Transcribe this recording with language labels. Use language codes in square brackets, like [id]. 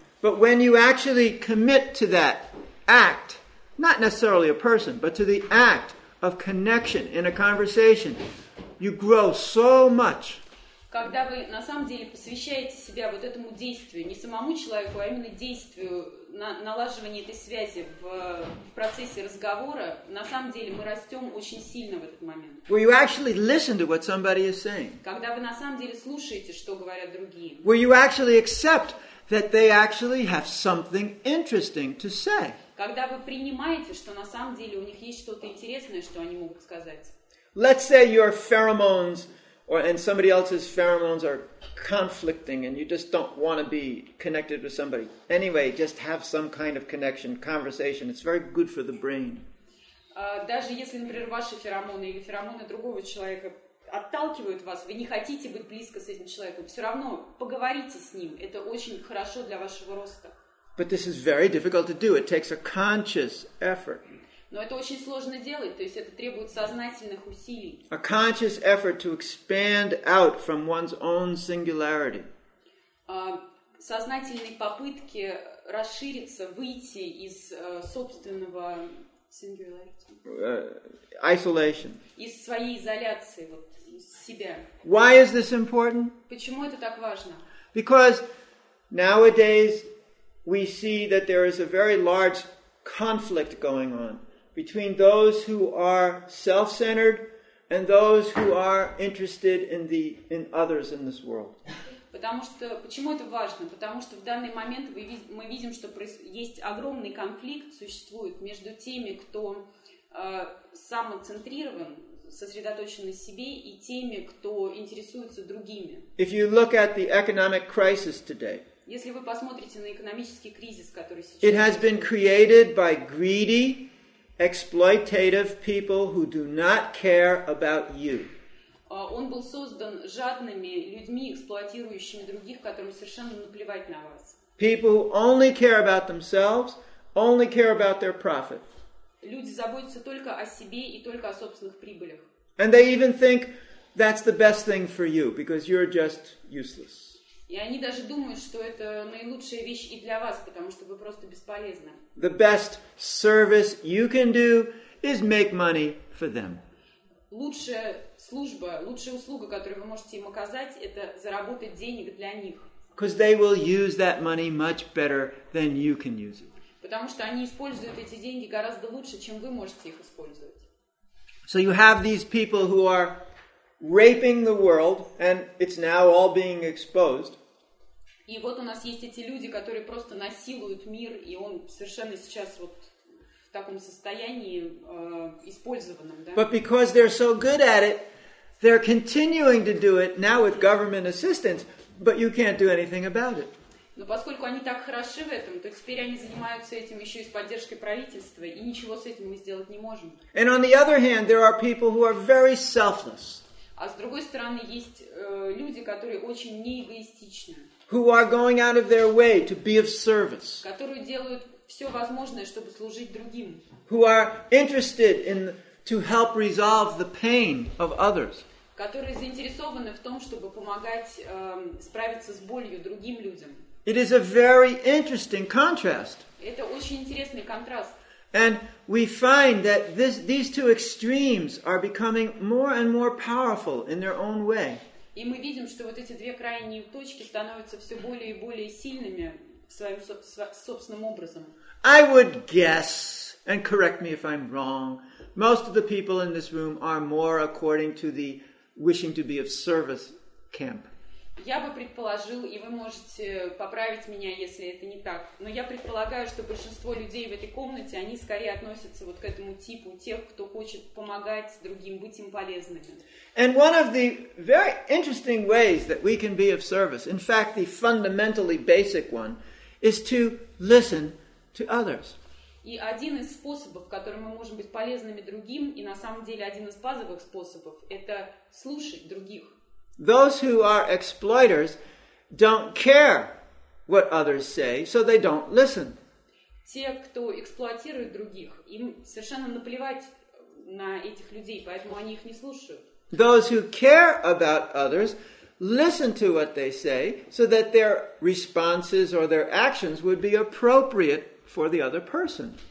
[en] But when you actually commit to that act, not necessarily a person, but to the act of connection in a conversation, you grow so much. [ru] Когда вы на самом деле посвящаете себя вот этому действию, не самому человеку, а именно действию налаживания этой связи в процессе разговора, на самом деле мы растем очень сильно в этот момент. [en] Where you actually listen to what somebody is saying. [ru] Когда вы на самом деле слушаете, что говорят другие. [en] Where you actually accept that they actually have something interesting to say. [ru] Когда вы принимаете, что на самом деле у них есть что-то интересное, что они могут сказать. [en] Let's say your pheromones and somebody else's pheromones are conflicting and you just don't want to be connected with somebody. Anyway, just have some kind of connection, conversation. It's very good for the brain. [ru] Даже если, например, ваши феромоны или феромоны другого человека отталкивают вас, вы не хотите быть близко с этим человеком, все равно поговорите с ним. Это очень хорошо для вашего роста. [en] But this is very difficult to do. It takes a conscious effort. [ru] Но это очень сложно делать, то есть это требует сознательных усилий. [en] A conscious effort to expand out from one's own singularity. [ru] Сознательные попытки расшириться, выйти из собственного singularity. [en] Isolation. [ru] Из своей изоляции, вот, из себя. [en] Why is this important? [ru] Почему это так важно? [en] Because nowadays we see that there is a very large conflict going on between those who are self-centered and those who are interested in others in this world. [ru] Потому что почему это важно? Потому что в данный момент мы видим, что есть огромный конфликт существует между теми, кто самоцентрирован, сосредоточен на себе, и теми, кто интересуется другими. [en] If you look at the economic crisis today, [ru] если вы посмотрите на экономический кризис, который сейчас, [en] it has been created by greedy, exploitative people who do not care about you. [ru] Он был создан жадными людьми, эксплуатирующими других, которым совершенно наплевать на вас. [en] People who only care about themselves, only care about their profit. [ru] Люди заботятся только о себе и только о собственных прибылях. [en] And they even think that's the best thing for you because you're just useless. [ru] И они даже думают, что это наилучшая вещь и для вас, потому что вы просто бесполезны. [en] The best service you can do is make money for them. [ru] Лучшая служба, лучшая услуга, которую вы можете им оказать, это заработать денег для них. [en] Because they will use that money much better than you can use it. [ru] Потому что они используют эти деньги гораздо лучше, чем вы можете их использовать. [en] So you have these people who are raping the world, and it's now all being exposed. [ru] И вот у нас есть эти люди, которые просто насилуют мир, и он совершенно сейчас вот в таком состоянии использованном, да? [en] But because they're so good at it, they're continuing to do it now with government assistance, but you can't do anything about it. [ru] Но поскольку они так хороши в этом, то теперь они занимаются этим еще и с поддержкой правительства, и ничего с этим мы сделать не можем. [en] And on the other hand, there are people who are very selfless. [ru] А с другой стороны, есть люди, которые очень неэгоистичны. [en] who are going out of their way to be of service, [ru] которые делают все возможное, чтобы служить другим, [en] who are interested in to help resolve the pain of others, [ru] которые заинтересованы в том, чтобы помогать справиться с болью другим людям. [en] It is a very interesting contrast. [ru] Это очень интересный контраст. [en] And we find that these two extremes are becoming more and more powerful in their own way. [ru] И мы видим, что вот эти две крайние точки становятся все более и более сильными своим собственным образом. [en] I would guess, and correct me if I'm wrong, most of the people in this room are more according to the wishing to be of service camp. [ru] Я бы предположил, и вы можете поправить меня, если это не так, но я предполагаю, что большинство людей в этой комнате, они скорее относятся вот к этому типу, тех, кто хочет помогать другим, быть им полезными. [en] And one of the very interesting ways that we can be of service, in fact, the fundamentally basic one, is to listen to others. [ru] И один из способов, которым мы можем быть полезными другим, и на самом деле один из базовых способов, это слушать других. [en] Those who are exploiters don't care what others say, so they don't listen. [ru] Те, кто эксплуатирует других, им совершенно наплевать на этих людей, поэтому они их не слушают. [en] Those who care about others listen to what they say, so that their responses or their actions would be appropriate for the other person.